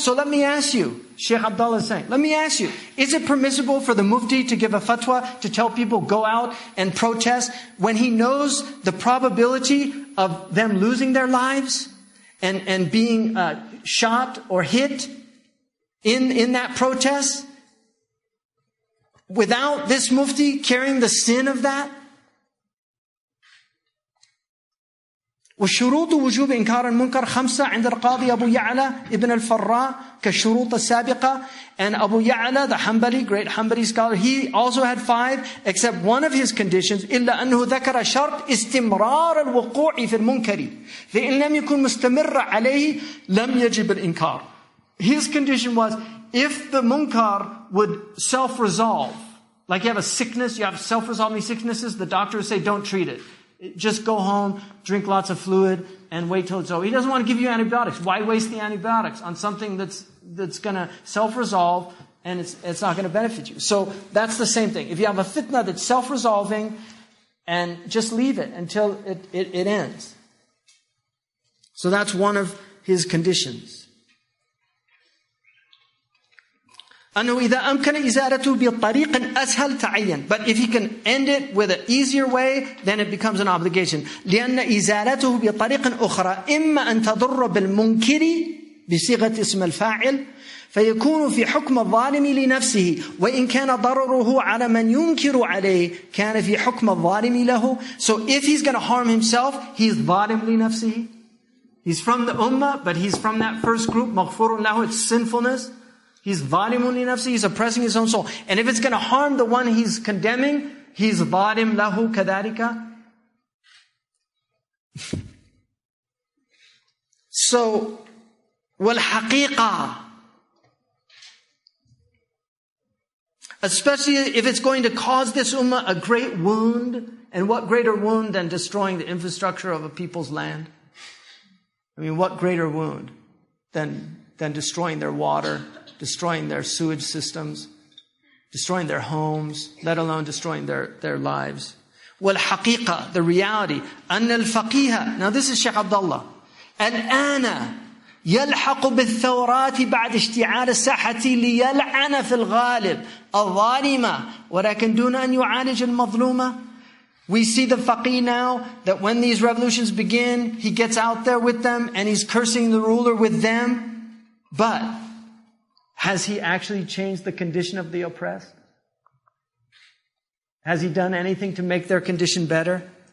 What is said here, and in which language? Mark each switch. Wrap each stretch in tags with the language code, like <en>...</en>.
<en>So let me ask you, Shaykh Abdullah is saying, let me ask you, is it permissible for the Mufti to give a fatwa to tell people go out and protest when he knows the probability of them losing their lives and being shot or hit in that protest without this mufti carrying the sin of that?</en> <ar>وشروط وجوب إنكار المنكر خمسة عند القاضي أبو يعلى ابن الفراء كشروط السابقة.</ar> <en>And Abu Ya'la, the Hanbali, great Hanbali scholar, he also had five, except one of his conditions,</en> <ar>إلا أنه ذكر شرط استمرار الوقوع في المنكر فإن لم يكن مستمر عليه لم يجب الإنكار.</ar> <en>His condition was, if the munkar would self-resolve, like you have a sickness, you have self-resolving sicknesses, the doctors say, don't treat it. Just go home, drink lots of fluid, and wait till it's over. He doesn't want to give you antibiotics. Why waste the antibiotics on something that's going to self-resolve and it's not going to benefit you? So that's the same thing. If you have a fitna that's self-resolving, and just leave it until it ends. So that's one of his conditions.</en> <ar>أنه إذا أمكن إزالته بطريق أسهل تعين.</ar> <en>But if he can end it with an easier way, then it becomes an obligation.</en> <ar>لأن إزالته بطريق أخرى إما أن تضر بالمنكر بصيغة اسم الفاعل فيكون في حكم الظالم لنفسه وإن كان ضرره على من ينكر عليه كان في حكم الظالم له.</ar> <en>So if he's going to harm himself, he's</en> <ar>ظالم لنفسه.</ar> <en>He's from the ummah, but he's from that first group,</en> <ar>مغفور له,</ar> <en>it's sinfulness. He's</en> <ar>ظَالِمٌ لِنَفْسِهِ,</ar> <en>he's oppressing his own soul. And if it's going to harm the one he's condemning, he's</en> <ar>ظَالِمْ لَهُ كَذَلِكَ. So, وَالْحَقِيقَةَ.</ar> <en>Especially if it's going to cause this ummah a great wound, and what greater wound than destroying the infrastructure of a people's land? I mean, what greater wound than destroying their water, destroying their sewage systems, destroying their homes, let alone destroying their lives.</en> <ar>والحقيقة,</ar> <en>the reality,</en> <ar>أن الفقيه,</ar> <en>now this is Shaykh Abdullah,</en> <ar>الآن يلحق بالثورات بعد اشتعال الساحة ليلعن في الغالب الظالمة ولكن دون أن يعالج المظلومة.</ar> <en>We see the faqih now, that when these revolutions begin, he gets out there with them and he's cursing the ruler with them. But has he actually changed the condition of the oppressed? Has he done anything to make their condition better?</en>